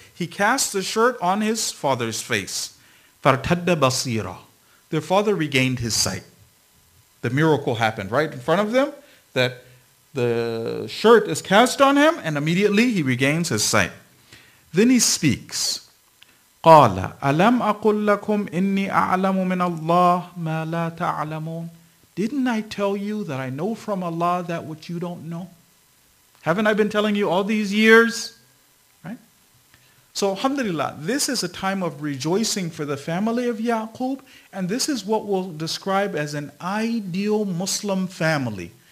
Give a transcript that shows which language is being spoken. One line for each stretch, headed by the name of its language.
English: He cast the shirt on his father's face.
Arabic: فَارْتَدَّ بَصِيرًا.
English: Their father regained his sight. The miracle happened right in front of them, that the shirt is cast on him, and immediately he regains his sight. Then he speaks,
Arabic: قال ألم أقل لكم إني أعلم من الله ما لا تعلمون.
English: Didn't I tell you that I know from Allah that which you don't know? Haven't I been telling you all these years? Right? So alhamdulillah, this is a time of rejoicing for the family of Yaqub, and this is what we'll describe as an ideal Muslim family.